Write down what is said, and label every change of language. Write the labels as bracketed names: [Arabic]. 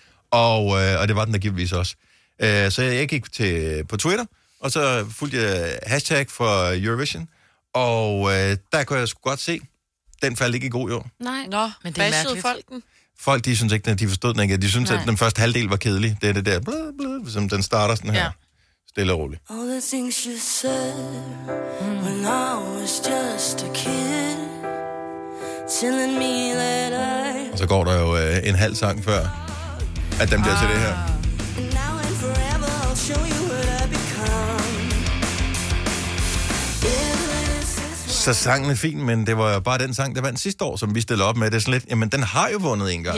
[Danish] Og det var den, der givetvis også. Så jeg gik på Twitter, og så fulgte jeg hashtag for Eurovision, og der kunne jeg sgu godt se, den faldt ikke i god jord. Nej, men det er mærkeligt. Folk, de synes ikke, at de forstod den ikke. De synes, at den første halvdel var kedelig. Det er det der, blah, blah, som den starter sådan her. Stille og roligt. [English] All the things you said when I was just a kid, telling me that I... [Danish] Og så går der jo en halv sang før, at den bliver til det her. Så sangen er fin, men det var jo bare den sang, der vandt sidste år, som vi stillede op med. Det er sådan lidt, jamen den har jo vundet en gang.